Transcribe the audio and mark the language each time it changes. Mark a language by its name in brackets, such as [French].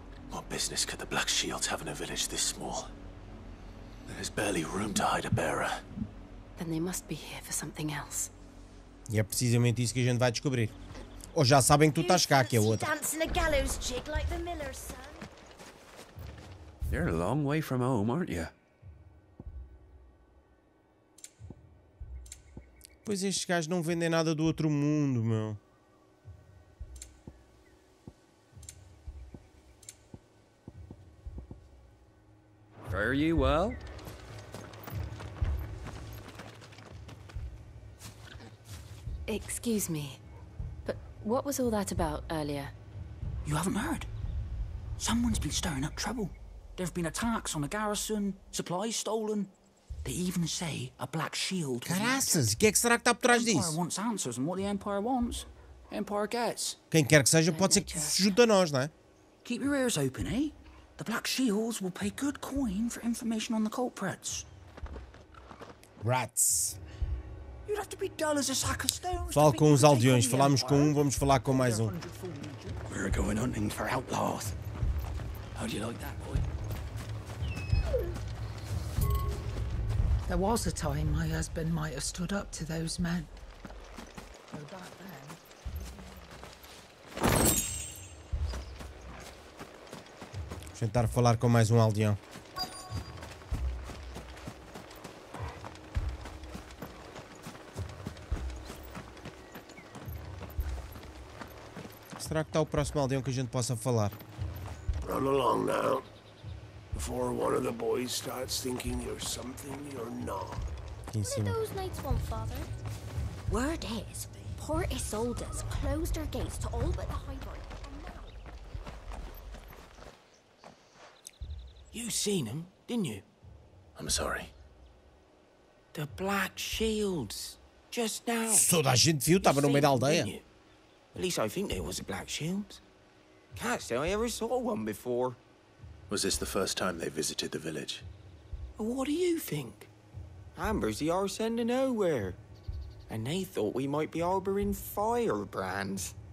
[English] What business could the Black Shields have in a village this small? There's barely room to hide a bearer. Then they must be here for something else. [Portuguese] E é precisamente isso que a gente vai descobrir. Ou já sabem que tu estás cá, que é outra. [English] Dancing a gallows jig like the miller's son. You're a long way from home, aren't you? [Portuguese] Pois estes gajos não vendem nada do outro mundo, meu. [English] Fare you well. Excuse me, but what was all that about earlier? You haven't heard? Someone's been stirring up trouble. There have been attacks on the garrison, supplies stolen. They even say a black shield. [Portuguese] Caraças, o que é que será que está por trás disso? [English] The Empire wants answers, and what the Empire wants, Empire gets. [Portuguese] Quem quer que seja, pode ser que se junte a nós, não é? [English] Keep your ears open, eh? The Black Shields will pay good coin for information on the culprits. Rats. You'd have to be dull as a sack of stones. [Portuguese] Fala com os aldeões. Falámos com um, vamos falar com mais um. [English] We're going hunting for outlaws. How do you like that, boy? There was a time my husband might have stood up to those men. No, back then. [Portuguese] Vou tentar falar com mais um aldeão. Será que está o próximo aldeão que a gente possa falar? [English] Run along now. Before one of the boys starts thinking you're something you're not. [Portuguese] Quem [English] sabe? Those knights want, father? Word is, Port Isolde's closed her gates to all but the high lord. You seen them, didn't you? I'm sorry. The Black Shields. Just now. [Portuguese] Toda a gente viu, estava no meio da aldeia. [English] At least I think there was a Black Shield. Can't say I ever saw one before. Was this the first time they visited the village? What do you think? Amber's the arse end of nowhere. And they thought we might be harboring firebrands.